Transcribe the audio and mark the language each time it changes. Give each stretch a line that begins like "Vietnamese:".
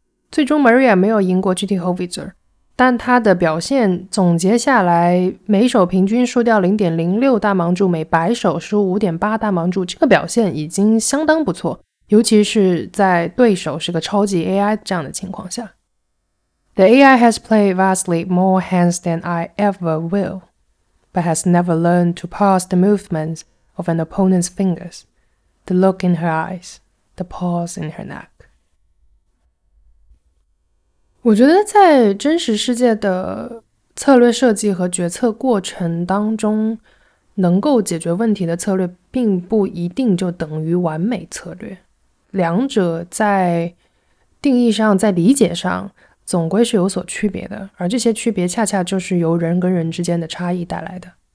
Chinese: 最终 Maria 没有赢过 GTO Wizard， 但他的表现总结下来，每手平均输掉 0.06 大盲注，每百手输 5.8 大盲注，这个表现已经相当不错，尤其是在对手是个超级 AI 这样的情况下。
English: The AI has played vastly more hands than I ever will, but has never learned to pause the movements of an opponent's fingers, the look in her eyes, the pause in her neck.
Chinese: 我觉得在真实世界的策略设计和决策过程当中，能够解决问题的策略并不一定就等于完美策略。两者在定义上，在理解上总归是有所区别的，而这些区别恰恰就是由人跟人之间的差异带来的。